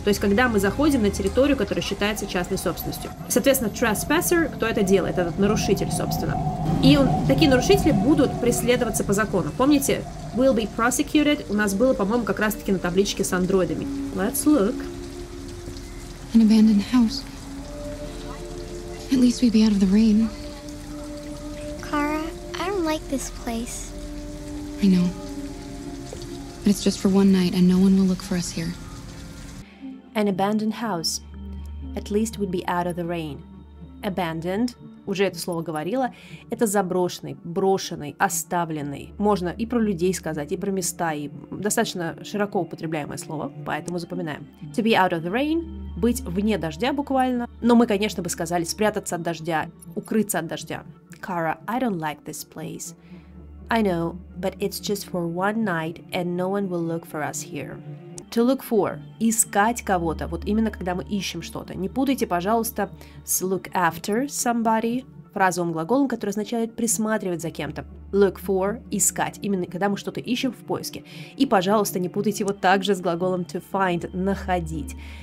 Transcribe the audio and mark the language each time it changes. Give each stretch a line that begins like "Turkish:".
Russian: То есть, когда мы заходим на территорию, которая считается частной собственностью. Соответственно, trespasser – кто это делает? Этот нарушитель, собственно. И он, такие нарушители будут преследоваться по закону. Помните?
English: Will be prosecuted.
Russian: У нас было, по-моему, как раз-таки на табличке с андроидами.
English: Let's look. An abandoned house. At least we'd be out of the rain. Kara, I don't like this place. I know. But it's just for one night and no one will look for us here. An abandoned house. At least we'd be out of the rain.
Russian: Abandoned. Уже это слово говорила. Это заброшенный, брошенный, оставленный. Можно и про людей сказать, и про места, и достаточно широко употребляемое слово, поэтому запоминаем.
English: To be out of the rain,
Russian: быть вне дождя буквально. Но мы, конечно, бы сказали спрятаться от дождя, укрыться от дождя.
English: Cara, I don't like this place. I know, but it's just for one night and no one will look for us here. To look for.
Russian: Искать кого-то. Вот именно когда мы ищем что-то. Не путайте, пожалуйста, с
English: look after somebody.
Russian: Фразовым глаголом, который означает присматривать за кем-то.
English: Look for.
Russian: Искать. Именно когда мы что-то ищем в поиске. И, пожалуйста, не путайте его также с глаголом to find. Находить.